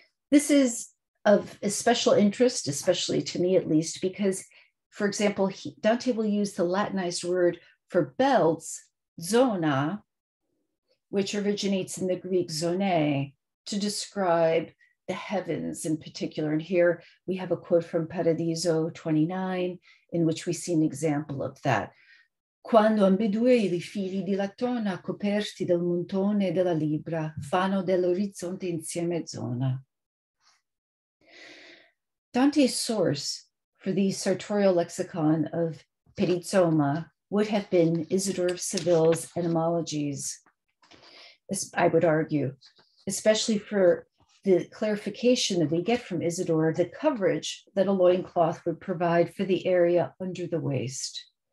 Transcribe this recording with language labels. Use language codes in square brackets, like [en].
[en] This is of special interest, especially to me at least, because, for example, Dante will use the Latinized word for belts, zona, which originates in the Greek zone, to describe the heavens in particular. And here we have a quote from Paradiso 29, in which we see an example of that. [it] Quando ambedue I fili di latona coperti del montone della libra fanno dell'orizzonte insieme zona. [en] Dante's source for the sartorial lexicon of perizoma would have been Isidore of Seville's Etymologies, I would argue, especially for the clarification that we get from Isidore, the coverage that a loincloth would provide for the area under the waist.